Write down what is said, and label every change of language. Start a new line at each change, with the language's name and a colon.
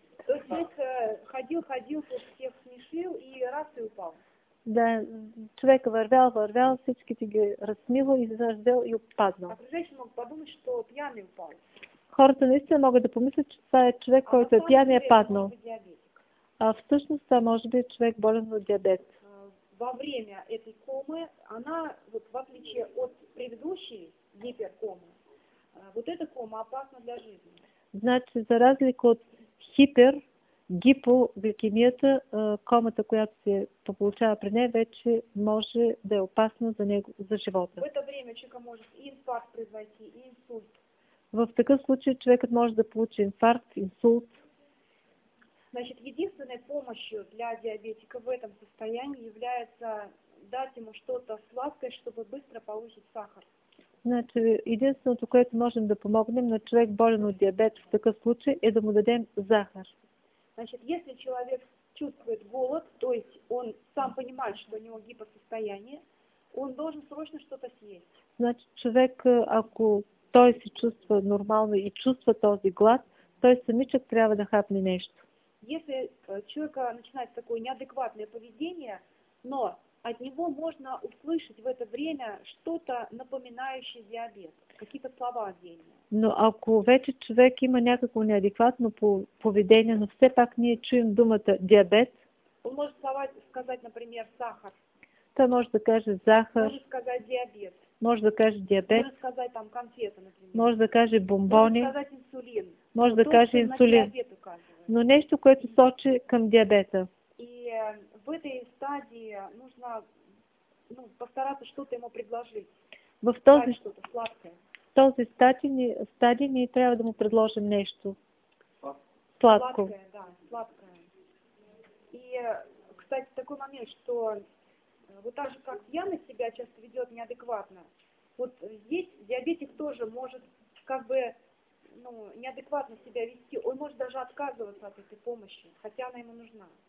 Russian: То есть человек ходил, всех смешил и раз и упал.
Bulgarian: Да, човек вървял, всичките ги разсмило и заждел и упаднал.
Russian: Окружающие могут подумать, что пьяный упал.
Bulgarian: Хората наистина могат да помислят, че това е човек, който е пиян и е паднал. А всъщност това може би е човек болен от диабет.
Russian: Во време этой комы, она, вот, в отличие от предыдущей гиперкомы, вот эта кома опасна для жизни.
Bulgarian: Значи, за разлика от гипогликемията, комата, която се получава при нея, вече може да е опасна за него, за живота.
Russian: В это время
Bulgarian: човека може
Russian: и инфаркт произвести, и инсульт.
Bulgarian: В такъв случай човекът може да получи инфаркт, инсулт.
Russian: Значит, единственной помощью для диабетика в этом состоянии является дать ему что-то сладкое, чтобы быстро получить сахар.
Bulgarian: Значи, единственото, което можем да помогнем на човек болен от диабет в такъв случай, е да му дадем захар.
Russian: Значит, если человек чувствует голод, то есть он сам понимает, что у него гипосостояние, он должен срочно что-то съесть. Значит, человек,
Bulgarian: ако той се чувства нормално и чувства този глад, той самичък трябва да хапне нещо.
Russian: Если человека начинается такое неадекватное поведение, но от него можно услышать в это время что-то напоминающее диабет, какие-то слова отдельные.
Bulgarian: Но ако вече човек има някакво неадекватно поведение, но все пак ние чуем думата диабет,
Russian: он может сказать, например, сахар.
Bulgarian: Той може да каже захар.
Russian: Может сказать диабет.
Bulgarian: Може да каже диабет.
Russian: Может сказать там конфета, например.
Bulgarian: Може да каже бомбони.
Russian: Может сказать инсулин.
Bulgarian: Може да каже инсулин. Но нещо, което сочи към диабета.
Russian: И в этой стадии нужно постараться что-то ему предложить.
Bulgarian: В този,
Russian: что-то сладкое.
Bulgarian: В този стадии ние трябва да му предложим нещо. Сладко.
Russian: Сладкое, да, сладкое. И, кстати, такой момент, что вот так же, как Яна себя часто ведет неадекватно, вот здесь диабетик тоже может как бы неадекватно себя вести, он может даже отказываться от этой помощи, хотя она ему нужна.